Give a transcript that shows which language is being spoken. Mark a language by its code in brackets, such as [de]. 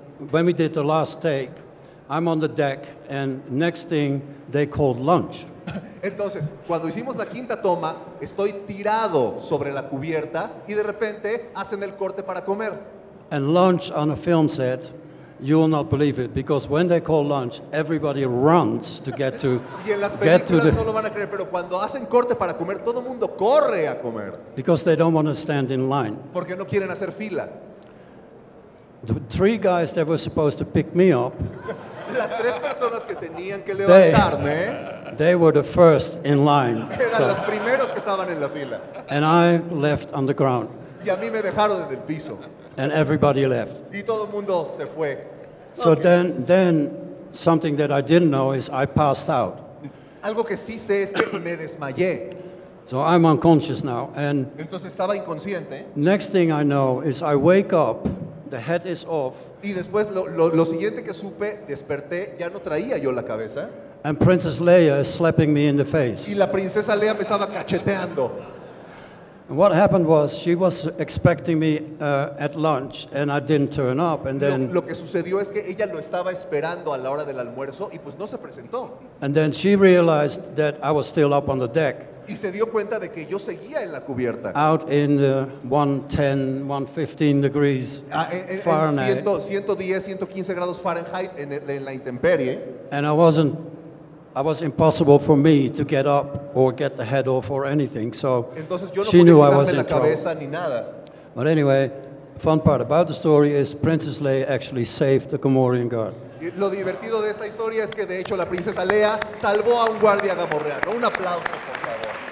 [en] when we did the last take, I'm on the deck and next thing they called lunch. [es] Entonces, cuando hicimos la quinta toma, estoy tirado sobre la cubierta y de repente hacen el corte para comer. [en] And lunch on a film set, you will not believe it, because when they call lunch, everybody runs to get to [es] y en las películas no lo van a creer, pero cuando hacen corte para comer, todo el mundo corre a comer. [en] Because they don't want to stand in line. [es] Porque no quieren hacer fila. [en] The three guys that were supposed to pick me up, [es] las tres personas que tenían que levantarme, [en] they were the first in line. [es] Eran los primeros que estaban en la fila. [en] And I left on the ground. [es] Y a mí me dejaron en el piso. [en] And everybody left. [es] Y todo el mundo se fue. [en] So okay. then something that I didn't know is I passed out. [es] Algo que sí sé es que me desmayé. [en] So I'm unconscious now, and [es] entonces estaba inconsciente. [en] Next thing I know is I wake up, the head is off. [es] Y después lo siguiente que supe, desperté, ya no traía yo la cabeza. [en] And Princess Leia is slapping me in the face. [es] Y la princesa Leia me estaba cacheteando. [en] And what happened was she was expecting me at lunch and I didn't turn up and then [es] lo que sucedió es que ella lo estaba esperando a la hora del almuerzo y pues no se presentó. [en] And then she realized that I was still up on the deck. [es] Y se dio cuenta de que yo seguía en la cubierta. [en] Out in the 110, 115 degrees Fahrenheit. [es] 110, 115 grados Fahrenheit en la intemperie. [en] And I was impossible for me to get up or get the head off or anything. So [es] entonces, [en] no she knew I was in trouble. [es] Ni nada. [en] But anyway, fun part about the story is Princess Leia actually saved the Gamorrean guard. [es] Lo divertido de esta historia es que de hecho la princesa Leia salvó a un guardia gamorreano. Un aplauso, por favor.